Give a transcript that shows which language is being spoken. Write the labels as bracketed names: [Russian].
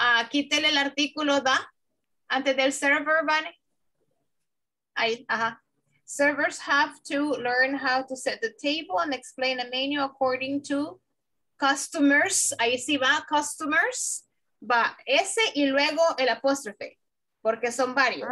[Spanish] Quítele el artículo da antes del server, ¿vale? Ahí, ajá. [English] Servers have to learn how to set the table and explain a menu according to customers. [Spanish] Ahí sí va, customers. Va S y luego el apóstrofe, porque son varios.